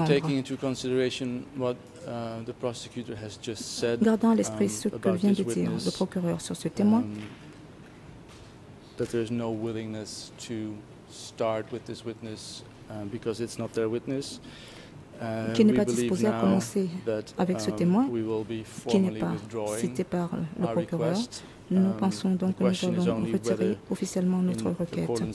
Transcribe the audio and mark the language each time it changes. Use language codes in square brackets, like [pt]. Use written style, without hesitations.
[en] Now taking into consideration what the prosecutor has just said, [fr] gardant à l'esprit ce que vient de dire le procureur sur ce témoin, [en] that there is no willingness to start with this witness because it's not their witness, [fr] qui n'est pas disposé à commencer avec ce témoin, qui n'est pas cité par le procureur. Nous pensons donc que nous allons retirer officiellement notre requête.